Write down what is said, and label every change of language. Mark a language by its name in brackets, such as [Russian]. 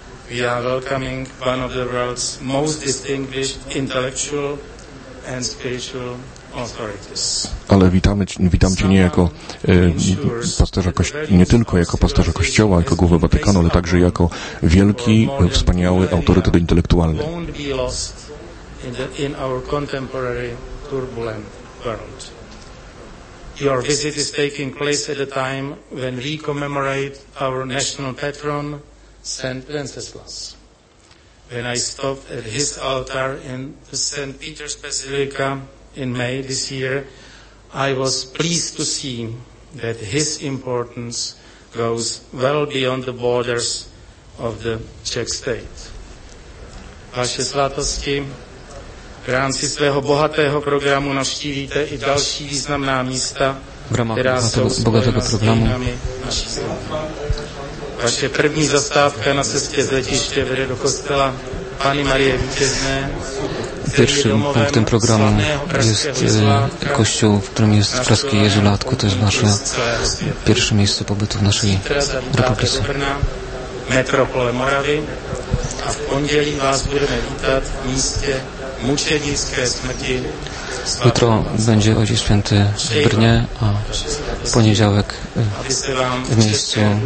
[English] we are welcoming one of the world's most distinguished intellectual and spiritual authorities. [Polish] Ale witam Cię nie jako pasterza nie tylko jako pasterza Kościoła, jako głowę Watykanu, ale także jako wielki, wspaniały autorytet intelektualny. [English] Won't be lost in our contemporary turbulent world. Your visit is taking place at a time when we commemorate our national patron, St. Wenceslas. When I stopped at his altar in St. Peter's Basilica in May this year, I was pleased to see that his importance goes well beyond the borders of the Czech state. [Czech] Vaše svatosti, v rámci svého bohatého programu navštívíte i další významná místa, která jsou spojena s významnými naší zemí. Vaše první zastávka na cestě z letiště vede do kostela Panny Marie Vítězné. [Polish] Pierwszym punktem programu jest kościół, w którym jest praski Jezulatko. To jest nasze pierwsze miejsce pobytu w naszej republice. [Czech] Metropole Moravy a w pondělí vás budeme vítat w místě mučednické smrti. [Polish] Jutro będzie Ojciec Święty w Brnie, a w poniedziałek w miejscu